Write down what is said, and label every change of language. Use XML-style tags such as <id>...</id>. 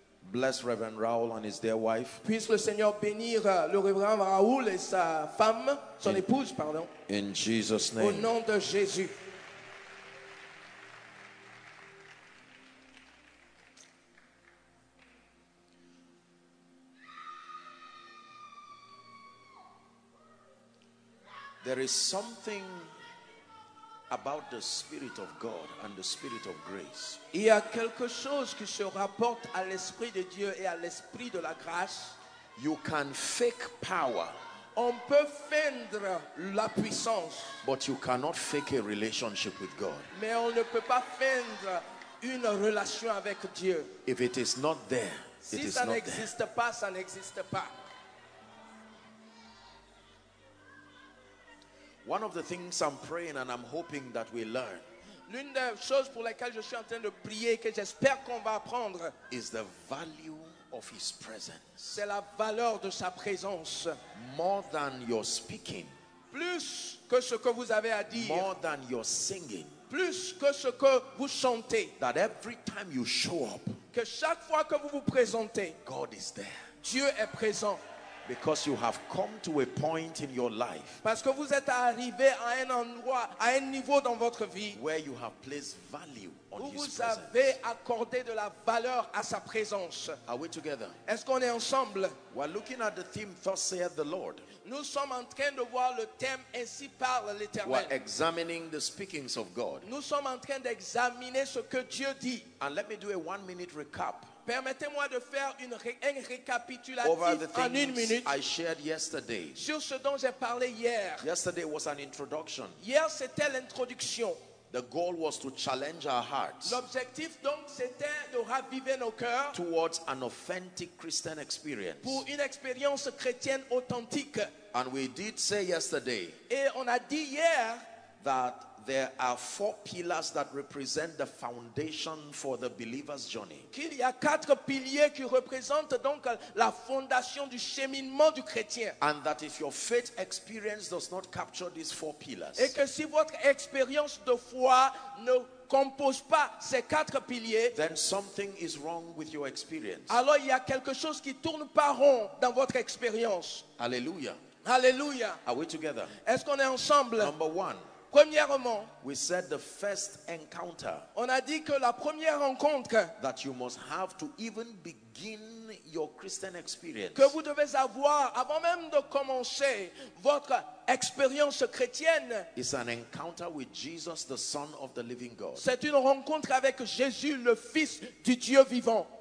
<en>Bless Reverend Raoul and his dear wife.</en> <fr>Puisse le Seigneur bénir le Reverend Raoul et sa femme, son épouse, pardon.</fr> <en>In Jesus' name.</en> <fr>Au nom de Jésus.</fr> <en>There is something about the Spirit of God and the Spirit of grace.</en> <fr>Il y a quelque chose qui se rapporte à l'Esprit de Dieu et à l'Esprit de la grâce.</fr> <en>You can fake power.</en> <fr>On peut feindre la puissance.</fr> <en>But you cannot fake a relationship with God.</en> <fr>Mais on ne peut pas feindre une relation avec Dieu.</fr> <en>If it is not there, it is not there.</en> <fr>Si ça n'existe pas, ça n'existe pas.</fr> <en>One of the things I'm praying and I'm hoping that we learn.</en> <fr>L'une des choses pour lesquelles je suis en train de prier que j'espère qu'on va apprendre</fr> <en>is the value of his presence.</en> <fr>C'est la valeur de sa présence.</fr> <en>More than your speaking.</en> <fr>Plus que ce que vous avez à dire.</fr> <en>More than your singing.</en> <fr>Plus que ce que vous chantez.</fr> <en>That every time you show up.</en> <fr>Que chaque fois que vous vous présentez.</fr> <en>God is there.</en> <fr>Dieu est présent.</fr> <en>Because you have come to a point in your life.</en> <fr>Parce que vous êtes arrivé à un endroit, à un niveau dans votre vie.</fr> <en>Where you have placed value on his presence.</en> <fr>Vous avez accordé de la valeur à sa présence.</fr> <en>Are we together?</en> <fr>Est-ce qu'on est ensemble?</fr> <en>We're looking at the theme, thus saith the Lord.</en> <fr>Nous sommes en train de voir le thème, ainsi parle l'Éternel.</fr> <en>We're examining the speakings of God.</en> <fr>Nous sommes en train d'examiner ce que Dieu dit.</fr> <en>And let me do a 1 minute recap.</en> <fr>Permettez-moi de faire un récapitulatif en une minute</fr> <en>I shared yesterday.</en> <fr>Sur ce dont j'ai parlé hier.</fr> <en>Yesterday was an introduction.</en> <fr>Hier, c'était l'introduction.</fr> <en>The goal was to challenge our hearts.</en> <fr>L'objectif donc c'était de raviver nos cœurs.</fr> <en>Towards an authentic Christian experience.</en> <fr>Pour une expérience chrétienne authentique.</fr> <en>And we did say yesterday.</en> <fr>Et on a dit hier.</fr> <en>That there are 4 pillars that represent the foundation for the believer's journey.</en> <fr>Qu'il y a 4 piliers qui représentent donc la fondation du cheminement du chrétien.</fr> <en>And that if your faith experience does not capture these 4 pillars.</en> <fr>Et que si votre expérience de foi ne compose pas ces 4 piliers.</fr> <en>Then something is wrong with your experience.</en> <fr>Alors il y a quelque chose qui tourne pas rond dans votre expérience. Alléluia. Alléluia.</fr> <en>Are we together?</en> <fr>Est-ce qu'on est ensemble?</fr> <en>Number one.</en> <fr>Premièrement,</fr> <en>we said the first encounter.</en> <fr>On a dit que la première rencontre</fr> <en>that you must have to even begin your Christian experience.</en> <fr>Que vous devez avoir avant même de commencer votre expérience chrétienne.</fr> <en>Is an encounter with Jesus, the Son of the Living God.</en> <fr>C'est une rencontre avec Jésus, le Fils du Dieu vivant.</fr>